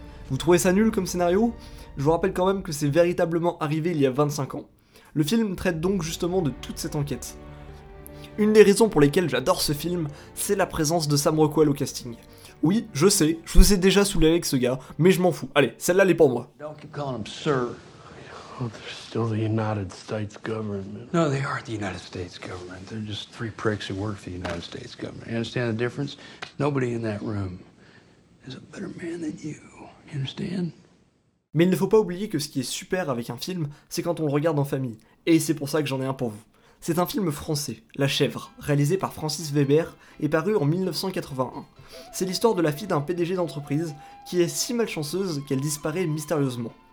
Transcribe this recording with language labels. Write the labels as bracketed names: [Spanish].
[French] Vous trouvez ça nul comme scénario? Je vous rappelle quand même que c'est véritablement arrivé il y a 25 ans. Le film traite donc justement de toute cette enquête. Une des raisons pour lesquelles j'adore ce film, c'est la présence de Sam Rockwell au casting. Oui, je sais, je vous ai déjà saoulé avec ce gars, mais je m'en fous. Allez, celle-là, elle est pour moi. [English] Don't keep calling him sir. Well, they're still the United States government. No, they aren't the United States government. They're just three pricks who work for the United States government. You understand the difference? Nobody in that room is a better man than you. You understand? [French] Mais il ne faut pas oublier que ce qui est super avec un film, c'est quand on le regarde en famille. Et c'est pour ça que j'en ai un pour vous. C'est un film français, La Chèvre, réalisé par Francis Weber et paru en 1981. C'est l'histoire de la fille d'un PDG d'entreprise qui est si malchanceuse qu'elle disparaît mystérieusement.